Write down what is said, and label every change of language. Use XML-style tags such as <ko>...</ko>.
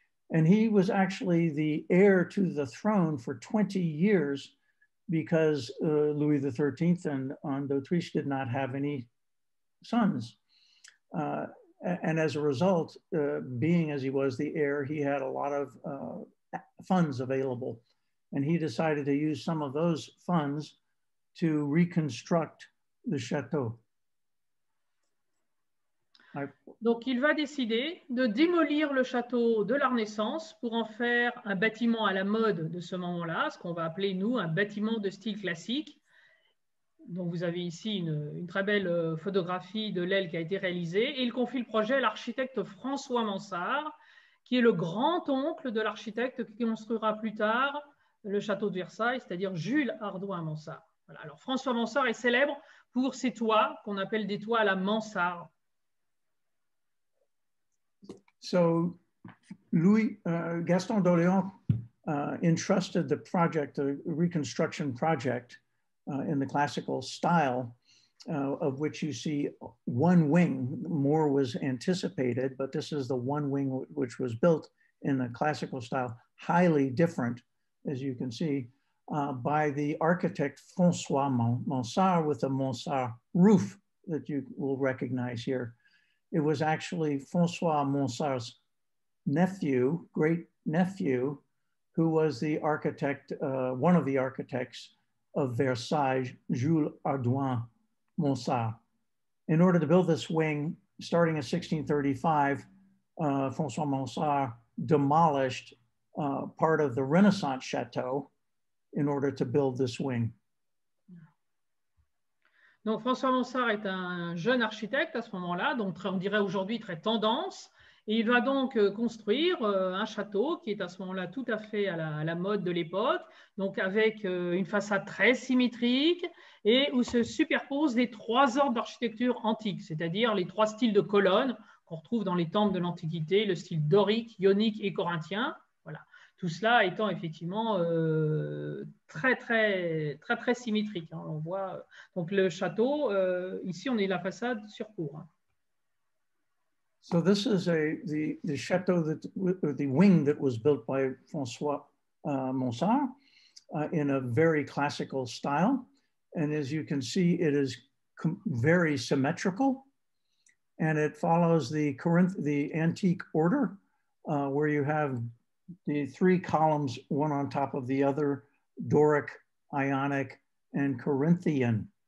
<en>And he was actually the heir to the throne for 20 years because Louis XIII and Anne d'Autriche did not have any sons. And as a result, being as he was the heir, he had a lot of funds available. And he decided to use some of those funds to reconstruct the château.</en> <fr>Donc, il va décider de démolir le château de la Renaissance pour en faire un bâtiment à la mode de ce moment-là, ce qu'on va appeler, nous, un bâtiment de style classique. Donc, vous avez ici une très belle photographie de l'aile qui a été réalisée. Et il confie le projet à l'architecte François Mansart, qui est le grand-oncle de l'architecte qui construira plus tard le château de Versailles, c'est-à-dire Jules Ardoin Mansart. Voilà. Alors, François Mansart est célèbre pour ses toits qu'on appelle des toits à la Mansart.</fr> <en>So, Gaston d'Orléans entrusted the project, the reconstruction project in the classical style, of which you see one wing. More was anticipated, but this is the one wing which was built in the classical style, highly different, as you can see, by the architect François Mansart with the Mansart roof that you will recognize here. It was actually François Mansart's nephew, great nephew, who was the architect, one of the architects of Versailles, Jules Ardoin Mansart. In order to build this wing, starting in 1635, François Mansart demolished part of the Renaissance chateau in order to build this wing.</en> <fr>Donc, François Mansart est un jeune architecte à ce moment-là, donc très, on dirait aujourd'hui très tendance, et il va donc construire un château qui est à ce moment-là tout à fait à la mode de l'époque, donc avec une façade très symétrique et où se superposent les trois ordres d'architecture antique, c'est-à-dire les trois styles de colonnes qu'on retrouve dans les temples de l'Antiquité, le style dorique, ionique et corinthien. Voilà. Tout cela étant effectivement très, très, très, très symétrique. Hein. On voit donc le château, ici on est la façade sur cour. Hein.</fr> <en>So this is the château, the wing that was built by François Mansart in a very classical style. And as you can see, it is very symmetrical and it follows the antique order where you have the three columns, one on top of the other, Doric, Ionic, and Corinthian.</en>